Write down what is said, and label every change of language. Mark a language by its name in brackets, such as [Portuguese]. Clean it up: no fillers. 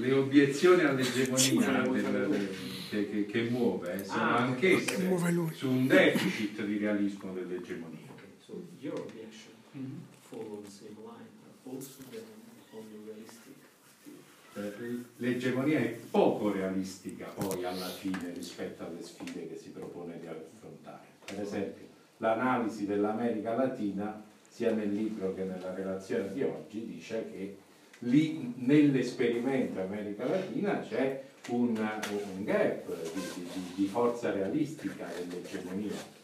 [Italian] Le obiezioni all'egemonia che muove, sono anch'esse su un deficit di realismo dell'egemonia. [English] Okay, so your objection follows the same line, also on the realistic. [Italian] L'egemonia è poco realistica poi alla fine rispetto alle sfide che si propone di affrontare. Per esempio, l'analisi dell'America Latina, sia nel libro che nella relazione di oggi, dice che lì nell'esperimento America Latina c'è un gap di forza realistica dell'egemonia.